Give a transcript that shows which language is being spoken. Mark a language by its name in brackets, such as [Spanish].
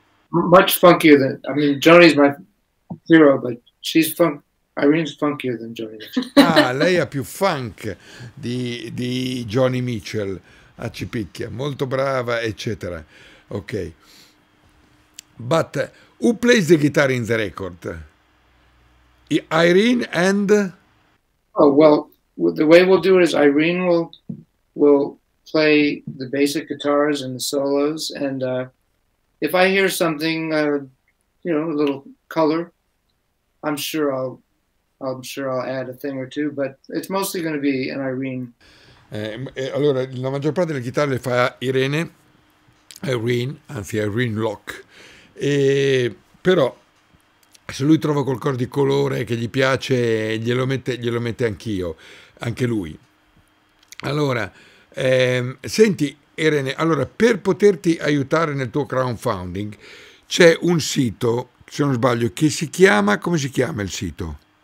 [English] Much funkier than, I mean, Johnny's my hero, but she's fun. Irene's funkier than Johnny. [Italian] Ah, lei ha più funk di Johnny Mitchell, ci picchia, molto brava, eccetera. Ok. [English] But who plays the guitar in the record? Irene and? Oh, well, the way we'll do it is Irene will play the basic guitars and the solos. And if I hear something, you know, a little color, I'm sure I'll add a thing or two, but it's mostly going to be an Irene. [Italian] Allora, la maggior parte delle chitarre le fa Irene Locke. E, però se lui trova qualcosa di colore che gli piace, glielo mette anch'io, anche lui. Allora, senti Irene, allora per poterti aiutare nel tuo crowdfunding c'è un sito, se non sbaglio, che si chiama, come si chiama il sito?